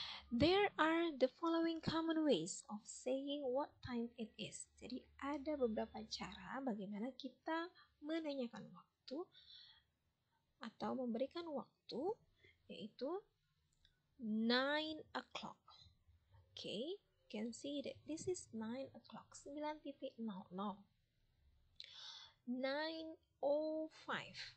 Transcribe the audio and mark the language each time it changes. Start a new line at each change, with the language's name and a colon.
English: There are the following common ways of saying what time it is.
Indonesian: Jadi ada beberapa cara bagaimana kita menanyakan waktu atau memberikan waktu, yaitu 9 o'clock.
English: Okay, you can see that this is 9 o'clock, 9:00, 9:05.